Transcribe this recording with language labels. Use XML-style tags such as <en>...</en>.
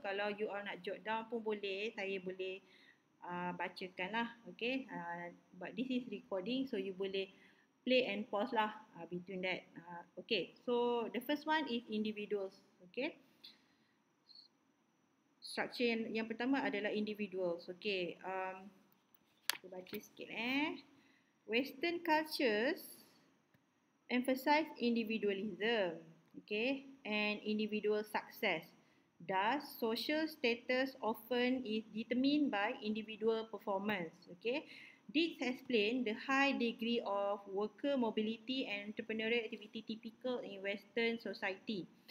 <ms>Kalau</ms> <en>you all</en> <ms>nak</ms> <en>jot down</en> <ms>pun boleh, saya boleh bacakan lah.</ms> <en>Okay, but this is recording so you</en> <ms>boleh</ms> <en>play and pause lah between that. Okay, so the first one is individuals. Okay.</en> <ms>Structure yang pertama adalah individuals. Okay, kita baca sikit eh.</ms> <en>Western cultures emphasize individualism, okay, and individual success. Thus, social status often is determined by individual performance. Okay, this explains the high degree of worker mobility and entrepreneurial activity typical in Western society.</en>